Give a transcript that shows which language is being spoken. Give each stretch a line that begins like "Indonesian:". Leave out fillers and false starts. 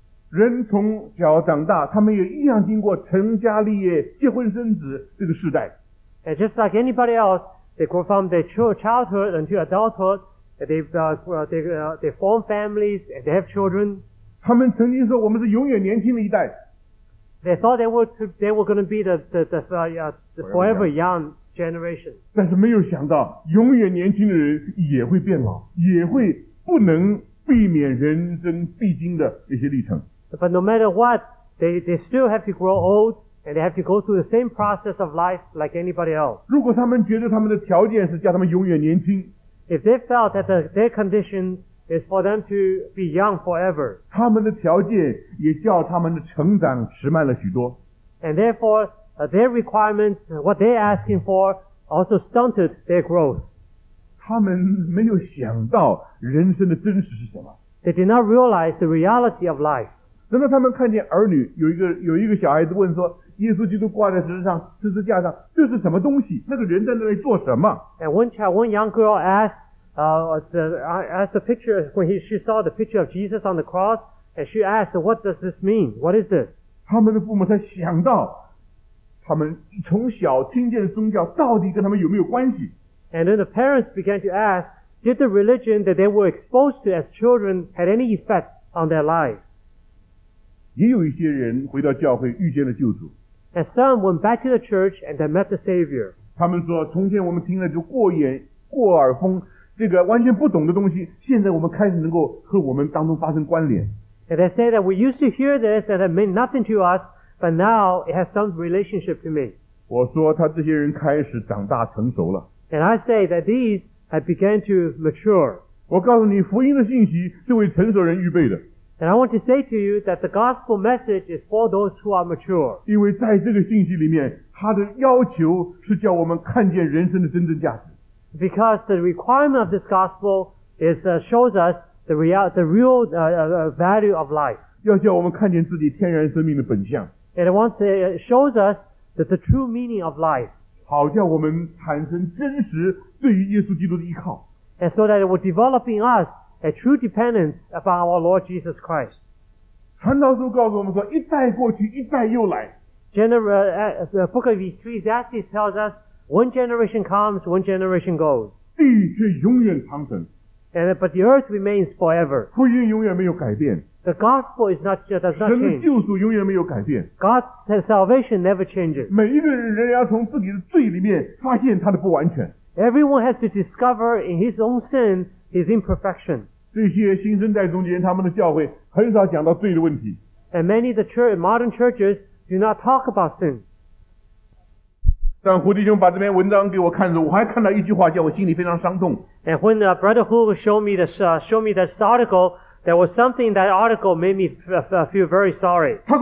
Chinese: 人从小长大，他们也一样经过成家立业、结婚生子这个时代。
English: And just like anybody else, they grow from their childhood until adulthood. They form families and they have children.
Chinese: 他们曾经说我们是永远年轻的一代。
English: They thought they were going to be the forever young generation.
Chinese: 但是没有想到，永远年轻的人也会变老，也会不能避免人生必经的一些历程。
English: But no matter what, they still have to grow old and they have to go through the same process of life like anybody else.
Chinese: 如果他们觉得他们的条件是叫他们永远年轻，
English: if they felt that their condition is for them to be young forever,
Chinese: 他们的条件也叫他们的成长迟慢了许多，
English: and therefore, their requirements, what they're asking for, also stunted their growth.
Chinese: 他们没有想到人生的真实是什么，
English: they did not realize the reality of life.
Chinese: 等到他们看见儿女有一个小孩子问说，耶稣基督挂在十字架上，这是什么东西？那个人在那里做什么
English: ？And one young girl asked the picture when she saw the picture of Jesus on the cross, and she asked, "What does this mean? What is this?"
Chinese: 他们的父母才想到，他们从小听见的宗教到底跟他们有没有关系
English: ？And then the parents began to ask, "Did the religion that they were exposed to as children had any effect on their life?"
Chinese: 也有一些人回到教会遇见了救主。
English: And some went back to the church and they met the Savior.
Chinese: 他们说，从前我们听了就过耳风，这个完全不懂的东西，现在我们开始能够和我们当中发生关联。
English: And they say that we used to hear this and it meant nothing to us, but now it has some relationship to me.
Chinese: 我说他这些人开始长大成熟了。
English: And I say that these have begun to mature.
Chinese: 我告诉你，福音的信息是为成熟人预备的。
English: And I want to say to you that the gospel message is for those who are mature.
Chinese: 因为在这个信息里面，它的要求是叫我们看见人生的真正价值。
English: Because the requirement of this gospel is shows us the real value of life.
Chinese: 要叫我们看见自己天然生命的本相。
English: And it wants to shows us that the true meaning of life.
Chinese: 好叫我们产生真实对于耶稣基督的依靠。
English: And so that it will develop in us. A true dependence upon our Lord Jesus Christ.
Chinese: 传道书告诉我们说，一代过去，一代又来。
English: The book of Ecclesiastes tells us, one generation comes, one generation goes.
Chinese: 地却永远长存。
English: But the earth remains forever.
Chinese: 福音永远没有改变。
English: The gospel is not, does not change.
Chinese: 神的救赎永远没有改变。
English: God's salvation never changes.
Chinese: 每一个人要从自己的罪里面发现他的不完全。
English: Everyone has to discover in his own sin his imperfection.
Chinese: 这些新生代中间，他们的教会很少讲到罪的问题。
English: And many of the church, modern churches do not talk about sin.
Chinese: 但胡弟兄把这篇文章给我看的时候，我还看到一句话，叫我心里非常伤痛。
English: And when Brother Hu showed me this article, there was something that article made me feel very sorry.